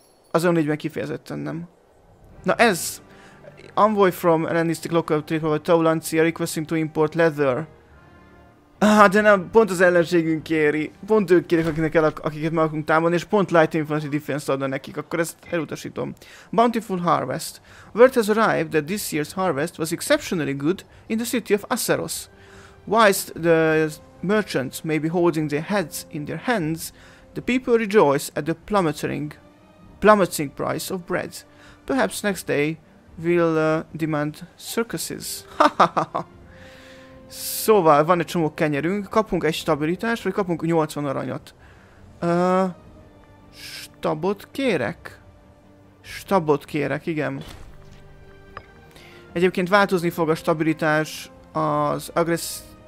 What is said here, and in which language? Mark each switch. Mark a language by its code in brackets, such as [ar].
[hu] Az EU4-ben kifejezetten nem. Na ez! [en] Envoy from Hellenistic Local Trade, [hu] vagy Taulancia [en] requesting to import leather. [hu] De nem, pont az ellenségünk kéri. Pont ők kérik, akiket meg akarunk támadni, és pont Light Infantry Defense adna nekik, akkor ezt elutasítom. [en] Bountiful Harvest. Word has arrived that this year's harvest was exceptionally good in the city of Aceros. Whilst the merchants may be holding their heads in their hands, the people rejoice at the plummeting price of bread. Perhaps next day we'll demand circuses. [hu] Szóval van egy csomó kenyerünk, kapunk egy stabilitást, vagy kapunk 80 aranyat. Stabot kérek? Stabot kérek, igen. Egyébként változni fog a stabilitás, az agressz...